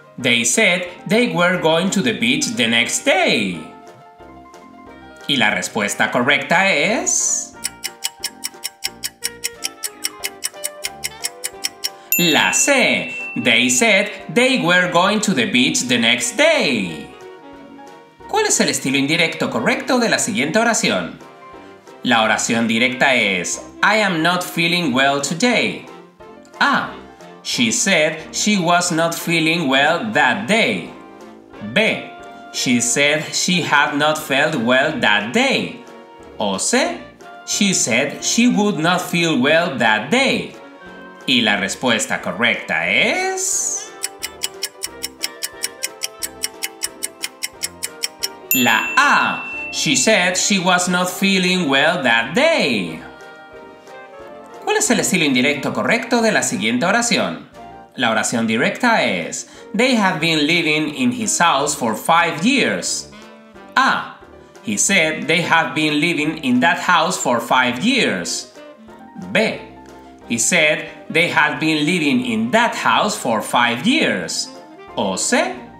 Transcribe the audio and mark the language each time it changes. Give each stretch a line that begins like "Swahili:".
English: They said they were going to the beach the next day.
Spanish: Y la respuesta correcta es... La C.
English: They said they were going to the beach the next day.
Spanish: ¿Cuál es el estilo indirecto correcto de la siguiente oración? La oración directa es
English: I am not feeling well today. A. She said she was not feeling well that day. B. She said she had not felt well that day. O C. She said she would not feel well that day.
Spanish: Y la respuesta correcta es... La A.
English: She said she was not feeling well that day.
Spanish: ¿Cuál es el estilo indirecto correcto de la siguiente oración? La oración directa es...
English: They have been living in his house for 5 years. A. He said they have been living in that house for 5 years. B. He said they had been living in that house for 5 years. O C.